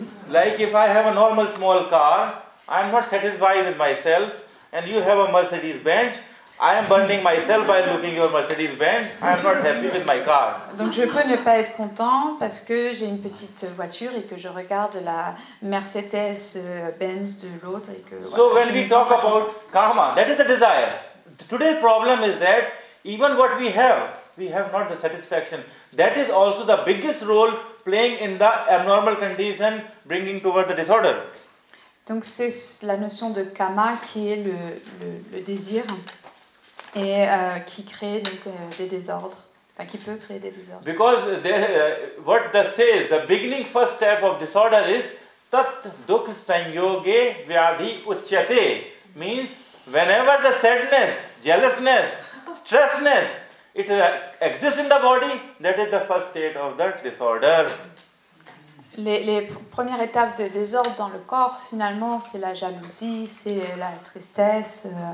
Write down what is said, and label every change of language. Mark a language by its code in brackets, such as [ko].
[en] Like if I have a normal small car, I am not satisfied with myself, and you have a Mercedes Benz. I am burning myself by looking your Mercedes Benz. I am not happy with my car. [fr] Donc je peux ne pas être content parce que j'ai une petite voiture et que je regarde la Mercedes Benz de l'autre et que. [en] So when we talk about karma, that is the desire. Today's problem is that even what we have not the satisfaction. That is also the biggest role playing in the abnormal condition bringing toward the disorder. [fr] Donc c'est la notion de kama qui est le désir et qui crée donc des désordres, enfin qui peut créer des désordres. [en] Because there, what that says, the beginning first step of disorder is [sa] tat dukh sanyoge vyadhi uchyate, [en] means whenever the sadness, jealousness, stressness, it exists in the body, that is the first state of that disorder. [fr] Les premières étapes de désordre dans le corps, finalement, c'est la jalousie, c'est la tristesse